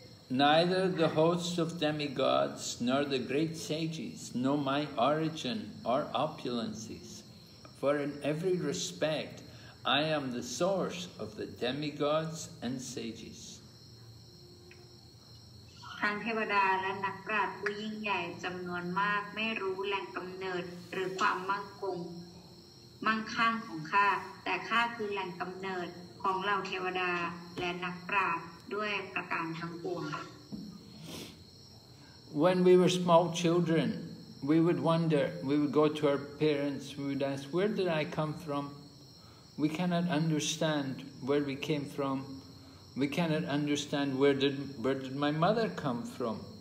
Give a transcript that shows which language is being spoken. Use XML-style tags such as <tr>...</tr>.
<en>Neither the hosts of demigods nor the great sages know my origin or opulences, for in every respect I am the source of the demigods and sages.</en> <th>ทั้งเทวดาและนักปราชญ์ผู้ยิ่งใหญ่จำนวนมากไม่รู้แหล่งกำเนิดหรือความมั่งคงมั่งคั่งของข้าแต่ข้าคือแหล่งกำเนิดของเหล่าเทวดาและนักปราชญ์ด้วยประการทั้งปวง</th> <en>When we were small children we would wonder we would go to our parents we would ask where did I come from we cannot understand where we came fromWe cannot understand where did my mother come from.</en>